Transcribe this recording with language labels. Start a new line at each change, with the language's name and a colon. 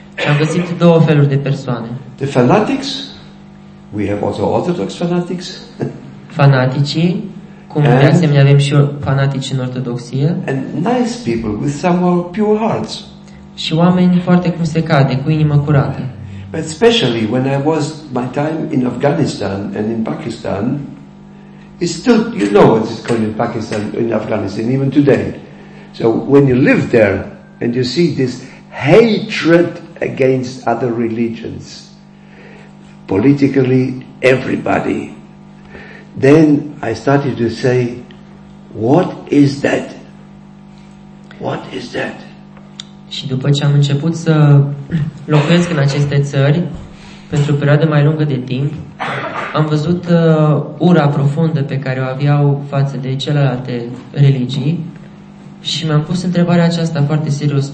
Romanian: Am găsit două feluri de persoane.
English: The fanatics. We have also Orthodox fanatics.
Romanian: Fanatici, cum de asemenea avem și fanatici în Ortodoxie.
English: And nice people with somewhat pure hearts.
Romanian: Și oameni foarte cum se cade, cu inimă curată.
English: But especially when I was my time in Afghanistan and in Pakistan, it's still, you know what it's called in Pakistan, in Afghanistan, even today. So when you live there, and you see this hatred against other religions, politically, everybody. Then I started to say, what is that? What is that?
Romanian: Și după ce am început să locuiesc în aceste țări, pentru o perioadă mai lungă de timp, am văzut ura profundă pe care o aveau față de celelalte religii. Și m-am pus întrebarea aceasta foarte serios.